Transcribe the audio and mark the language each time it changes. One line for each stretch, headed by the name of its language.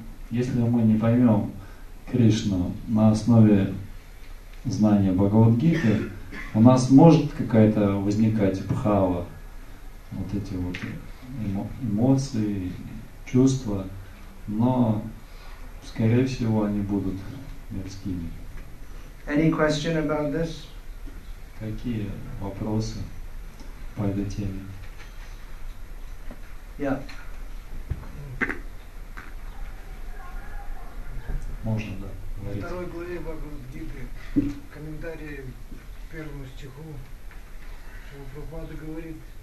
Russian: Если мы не поймем Кришну на основе знания Бхагавад-гиты, у нас может какая-то возникать бхава, вот эти вот эмоции, чувства, но, скорее всего, они будут мирскими.
English: Any question about this?
Russian: Какие вопросы по этой теме?
English: Yeah.
Russian: Можно, да. Во второй главе Бхагавад-гиты, комментарии к первому стиху, Прабхупада говорит...